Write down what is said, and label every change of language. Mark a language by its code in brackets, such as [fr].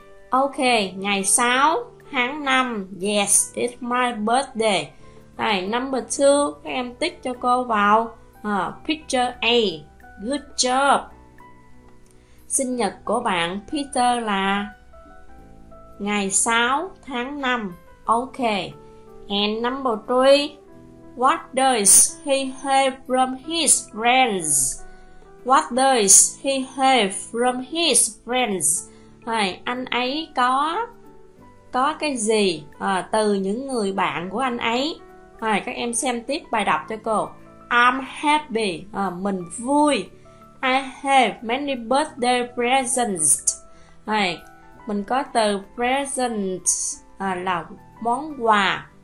[en] Ok, [vi] ngày 6 tháng 5. [en] Yes, it's my birthday. [vi] Này, [en] number 2, [vi] các em tích cho cô vào picture A. [en] Good job. [vi] Sinh nhật của bạn Peter là ngày 6 tháng 5. [en] Ok. And number 3, what does he have from his friends? What does he have from his friends? [vi] Hey, anh ấy có cái gì từ những người bạn của anh ấy? Hey, các em xem tiếp bài đọc cho cô. [en] I'm happy. [vi] Mình vui. [en] I have many birthday presents. [vi] Hey, mình có từ presents là món quà.